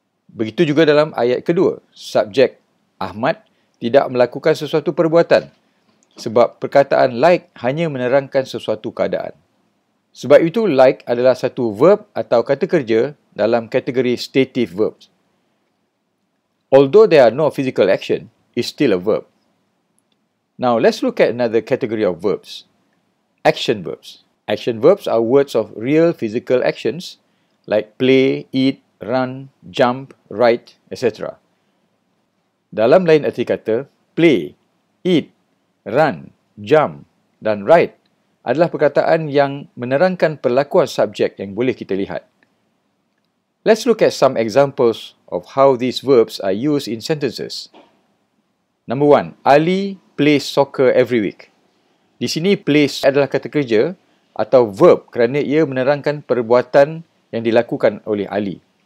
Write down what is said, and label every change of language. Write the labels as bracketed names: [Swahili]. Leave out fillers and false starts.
[Malay] Begitu juga dalam ayat kedua, subjek Ahmad tidak melakukan sesuatu perbuatan sebab perkataan like hanya menerangkan sesuatu keadaan. Sebab itu, like adalah satu verb atau kata kerja dalam kategori stative verbs. [English] Although there are no physical action, it's still a verb. Now, let's look at another category of verbs. Action verbs. Action verbs are words of real physical actions like play, eat, run, jump, write, etc. [Malay] Dalam lain erti kata, play, eat, run, jump dan write adalah perkataan yang menerangkan perlakuan subjek yang boleh kita lihat. [English] Let's look at some examples of how these verbs are used in sentences. Number one, Ali plays soccer every week. [Malay] Di sini, plays adalah kata kerja atau verb kerana ia menerangkan perbuatan yang dilakukan oleh Ali.